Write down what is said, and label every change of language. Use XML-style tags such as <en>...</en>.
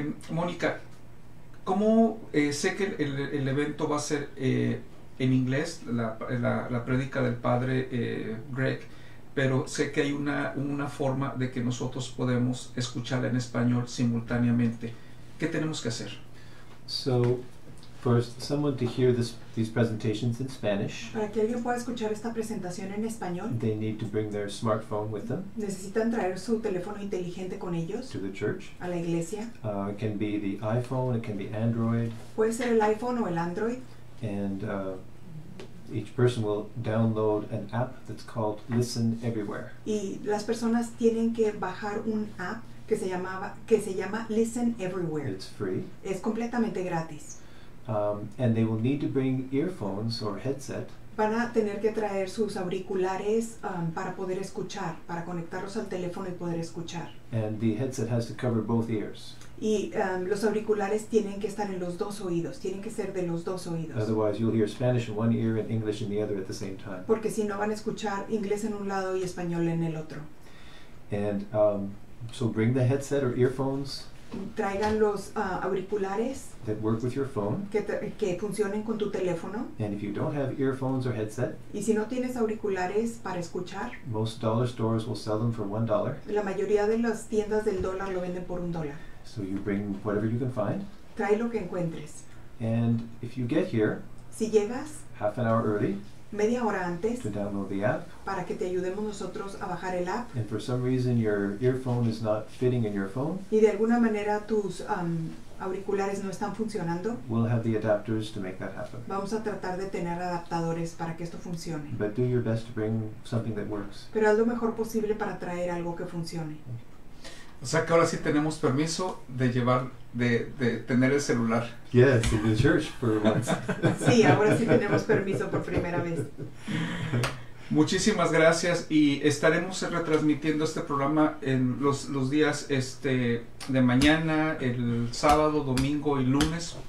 <es>Mónica, ¿cómo sé que el evento va a ser en inglés, la prédica del padre Greg? Pero sé que hay una forma de que nosotros podemos escucharla en español simultáneamente. ¿Qué tenemos que hacer?</es> <en>So, first, someone to hear these presentations in Spanish.</en> <es>Para que alguien pueda escuchar esta presentación en español.</es> <en>They need to bring their smartphone with them.</en> <es>Necesitan traer su teléfono inteligente con ellos.</es> <en>To the church.</en> <es>A la iglesia.</es> <en>It can be the iPhone, it can be Android.</en> <es>Puede ser el iPhone o el Android.</es> <en>And each person will download an app that's called Listen Everywhere.</en> <es>Y las personas tienen que bajar un app que se llama Listen Everywhere.</es> <en>It's free.</en> <es>Es completamente gratis.</es> <en>And they will need to bring earphones or headset.</en> <es>Van a tener que traer sus auriculares para poder escuchar, para conectarlos al teléfono y poder escuchar.</es> <en>And the headset has to cover both ears.</en> <es>Y los auriculares tienen que estar en los dos oídos, tienen que ser de los dos oídos.</es> <en>Otherwise, you'll hear Spanish in one ear and English in the other at the same time.</en> <es>Porque si no, van a escuchar inglés en un lado y español en el otro.</es> <en>And so bring the headset or earphones.</en> <es>Traigan los auriculares.</es> <en>That work with your phone.</en> <es>Que funcionen con tu teléfono.</es> <en>And if you don't have earphones or headset.</en> <es>Y si no tienes auriculares para escuchar.</es> <en>Most dollar stores will sell them for $1.</en> <es>La mayoría de las tiendas del dólar lo venden por $1.</es> <en>So you bring whatever you can find.</en> <es>Trae lo que encuentres.</es> <en>And if you get here.</en> <es>Si llegas.</es> <en>Half an hour early.</en> <es>Media hora antes.</es> <en>To download the app.</en> <es>Para que te ayudemos nosotros a bajar el app.</es> <en>And for some reason your earphone is not fitting in your phone.</en> <es>Y de alguna manera tus auriculares no están funcionando.</es> <en>We'll have the adapters to make that happen.</en> <es>Vamos a tratar de tener adaptadores para que esto funcione.</es> <en>But do your best to bring something that works.</en> <es>Pero haz lo mejor posible para traer algo que funcione. O sea que ahora sí tenemos permiso de llevar, de tener el celular.</es> <en>Yes, in the church for once.</en> <es>Sí, ahora sí tenemos permiso por primera vez. Muchísimas gracias y estaremos retransmitiendo este programa en los días de mañana, el sábado, domingo y lunes</es>